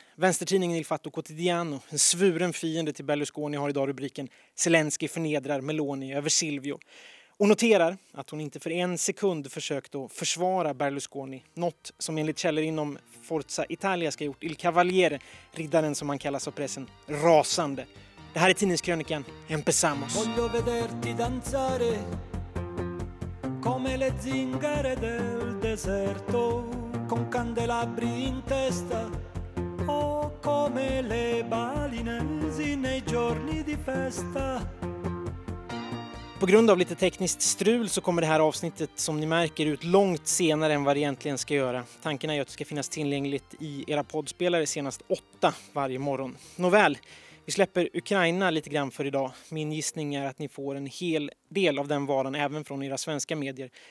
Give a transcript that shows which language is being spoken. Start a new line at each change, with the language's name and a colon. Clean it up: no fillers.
Swedish: Vänstertidningen Il Fatto Quotidiano, en svuren fiende till Berlusconi, har idag rubriken Zelensky förnedrar Meloni över Silvio. Och noterar att hon inte för en sekund försökt att försvara Berlusconi. Något som enligt källor inom Forza Italia ska gjort Il Cavaliere, riddaren som man kallas av pressen, rasande. Det här är tidningskrönikan.
Spanish: Empezamos.
Italian: Voglio vederti danzare come le zingare del deserto con candelabri in testa o come le balinesi nei giorni di festa.
Swedish: På grund av lite tekniskt strul så kommer det här avsnittet som ni märker ut långt senare än vad det egentligen ska göra. Tanken är att det ska finnas tillgängligt i era poddspelare senast 8 varje morgon. Nåväl. Vi släpper Ukraina lite grann för idag. Min gissning är att ni får en hel del av den varan även från era svenska medier.